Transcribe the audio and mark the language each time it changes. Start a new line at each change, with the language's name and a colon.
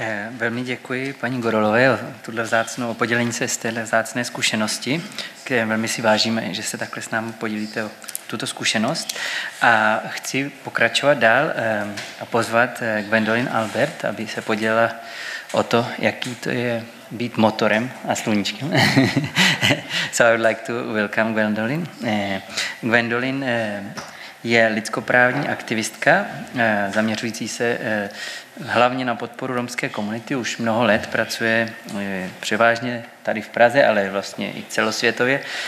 Czech: Velmi děkuji paní Gorolové o tuto vzácnou, o podělení se z téhle vzácné zkušenosti, které velmi si vážíme, že se takhle s námi podělíte o tuto zkušenost. A chci pokračovat dál a pozvat Gwendolyn Albert, aby se podělila o to, jaký to je být motorem a sluníčkem.
English: So I would like to welcome Gwendolyn.
Czech: Gwendolyn je lidskoprávní aktivistka, zaměřující se hlavně na podporu romské komunity. Už mnoho let pracuje převážně tady v Praze, ale vlastně i celosvětově.